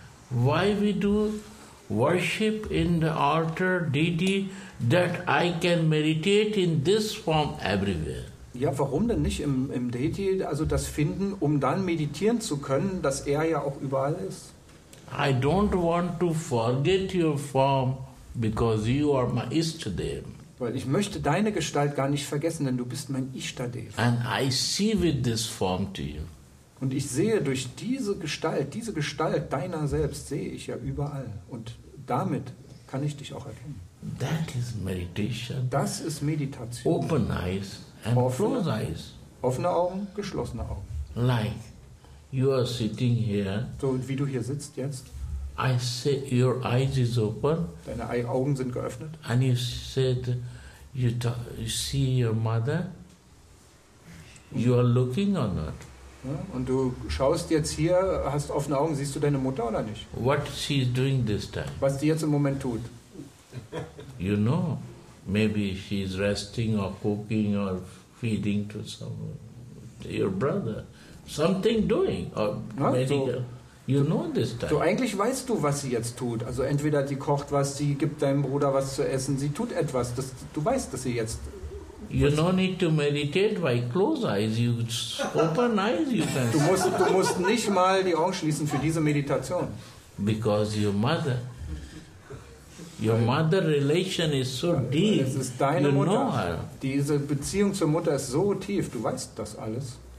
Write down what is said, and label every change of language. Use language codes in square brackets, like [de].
[en] Why we do worship in the altar, deity, that I can meditate in this form everywhere? [de] Ja, warum denn nicht im Deity, also das Finden, um dann meditieren zu können, dass er ja auch überall ist? [en] I don't want to forget your form, because you are my Ishtadev. [de] Weil ich möchte deine Gestalt gar nicht vergessen, denn du bist mein Ishtadev. [en] And I see with this form to you. [de] Und ich sehe durch diese Gestalt deiner selbst, sehe ich ja überall. Und damit kann ich dich auch erkennen. [en] That is meditation. [de] Das ist Meditation. [en] Open eyes and close eyes. [de] Offene Augen, geschlossene Augen. [en] Like you are sitting here. [de] So wie du hier sitzt jetzt. [en] I say your eyes is open. [de] Deine Augen sind geöffnet. [en] And you said you see your mother. You are looking or not? [de] Und du schaust jetzt hier, hast offene Augen, siehst du deine Mutter oder nicht? [en] What she is doing this time? [de] Was sie jetzt im Moment tut? [en] You know, maybe she is resting or cooking or feeding to your brother, something doing or medical. So, you know this time. [de] So eigentlich weißt du, was sie jetzt tut. Also entweder sie kocht was, sie gibt deinem Bruder was zu essen, sie tut etwas. Das, du weißt, dass sie jetzt. [en] You no need to meditate by close eyes. You open eyes, you can. [de] Du musst nicht mal die Augen schließen für diese Meditation. [en] Because your mother relation is so deep. [de] Es ist deine [en] you [de] Mutter. [en] Know her. [de] Diese Beziehung zur Mutter ist so tief. Du weißt das alles.